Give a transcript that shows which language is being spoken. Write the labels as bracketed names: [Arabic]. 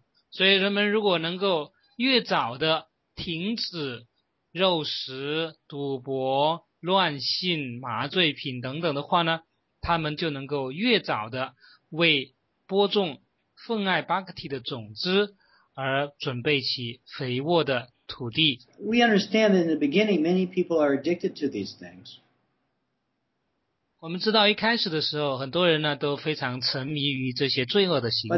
[Chinese] 所以人们如果能够越早的停止肉食、赌博、乱性、麻醉品等等的话呢，他们就能够越早的为播种奉爱 bhakti 的种子而准备起肥沃的土地。 [English] We understand that in the beginning, many people are addicted to these things. [Chinese] 我们知道一开始的时候，很多人呢都非常沉迷于这些罪恶的行为。